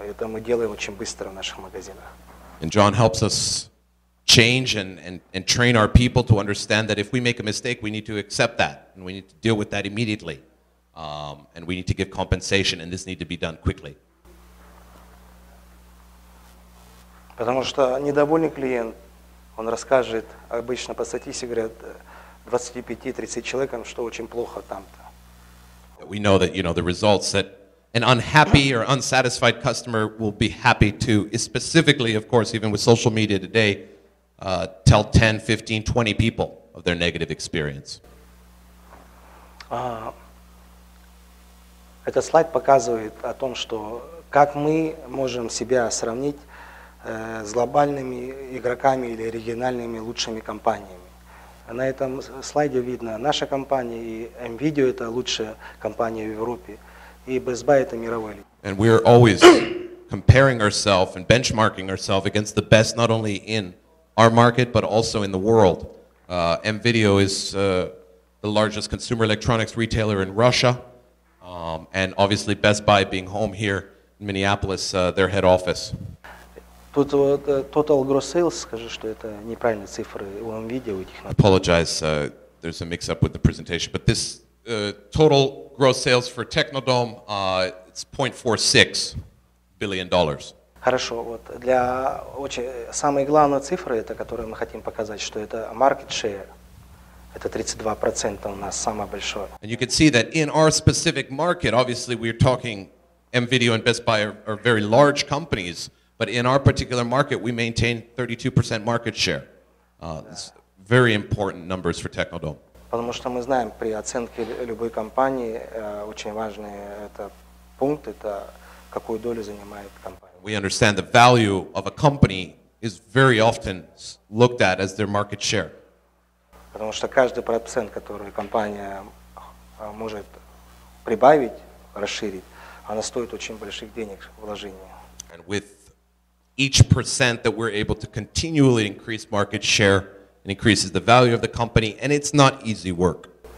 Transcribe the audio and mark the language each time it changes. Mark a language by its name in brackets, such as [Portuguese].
[Russian] Это мы делаем очень быстро в наших магазинах. [English] And John helps us change and train our people to understand that if we make a mistake, we need to accept that, and we need to deal with that immediately, and we need to give compensation, and this needs to be done quickly. [Russian] Потому что недовольный клиент, он расскажет обычно по статистике, говорят, 25-30 человекам, что очень плохо там-то. [English] We know that, you know, the results that an unhappy or unsatisfied customer will be happy to, specifically, of course, even with social media today, tell 10, 15, 20 people of their negative experience. [Russian] Этот слайд показывает о том, что как мы можем себя сравнить с глобальными игроками или региональными лучшими компаниями. На этом слайде видно наша компания, и NVIDIA – это лучшая компания в Европе, и Best Buy – это мировой лидер. [English] And we are always comparing ourselves and benchmarking ourselves against the best not only in our market, but also in the world. NVIDIA is the largest consumer electronics retailer in Russia, and obviously Best Buy being home here in Minneapolis, their head office. [Russian] Тут вот [English] total gross sales, [Russian] скажи, что это неправильные цифры у NVIDIA, у этих. [English] Apologize, there's a mix-up with the presentation, but this total gross sales for Technodom, it's $0.46 billion. [Russian] Хорошо. Вот для очень самой главной цифры, это которую мы хотим показать, что это market share. Это 32% у нас самое большое. [English] And you can see that in our specific market, obviously we're talking NVIDIA and Best Buy are very large companies, but in our particular market we maintain 32% market share. It's very important numbers for Technodome. [Russian] Потому что мы знаем, при оценке любой компании очень важный это пункт, это какую долю занимает компания. [English] We understand the value of a company is very often looked at as their market share. [Russian] Потому что каждый процент, который компания может прибавить, расширить, она стоит очень больших денег вложения. [English] And with each percent that we're able to continually increase market share, it increases the value of the company, and it's not easy work.